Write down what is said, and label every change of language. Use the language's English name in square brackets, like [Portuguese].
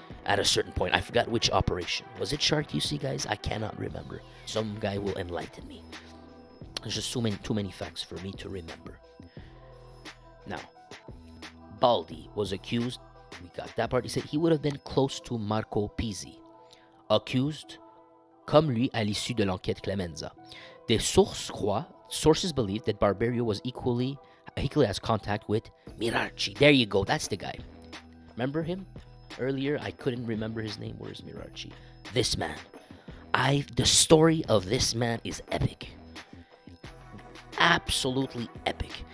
[English] At a certain point, I forgot which operation. Was it Shark UC, guys? I cannot remember. Some guy will enlighten me. There's just too many facts for me to remember. Now, Baldi was accused. We got that part. He said he would have been close to Marco Pizzi. [French] Accused, comme lui, à l'issue de l'enquête Clemenza. Des sources croient, [English] sources believe that Barberio was equally has contact with Mirarchi. There you go. That's the guy. Remember him? Earlier, I couldn't remember his name. Where is Mirarchi? This man. The story of this man is epic. Absolutely epic.